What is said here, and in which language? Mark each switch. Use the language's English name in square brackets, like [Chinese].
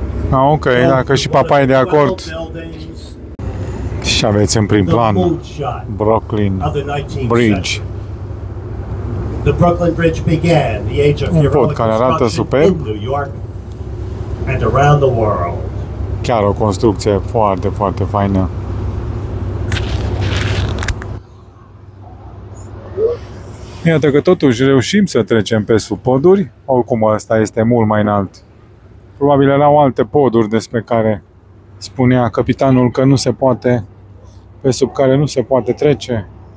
[Romanian] Ah, ok, dacă și papai e de acord. Și aveți în prim plan Brooklyn Bridge. [English] The Brooklyn Bridge began the age of heroic construction in New York and around the world. [Romanian] Chiar o construcție foarte, foarte faină. Iată că totuși reușim să trecem pe sub poduri. Oricum ăsta este mult mai înalt. Probabil erau alte poduri despre care spunea capitanul că nu se poate, pe sub care nu se poate trece.